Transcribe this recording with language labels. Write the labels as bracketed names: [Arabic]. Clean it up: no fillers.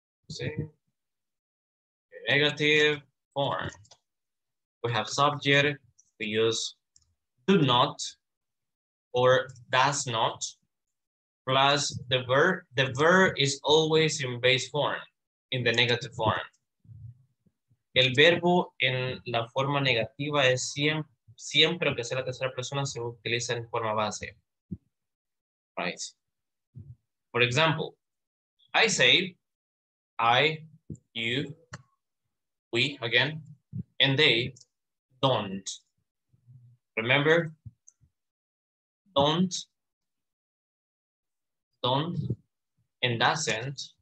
[English] See? Negative form. We have subject, we use do not or does not, plus the verb. The verb is always in base form, in the negative form. [Spanish] El verbo en la forma negativa es siempre que sea la tercera persona, se utiliza en forma base. [English] Right. For example, I say, I, you, we, again, and they don't. Remember, don't, and doesn't.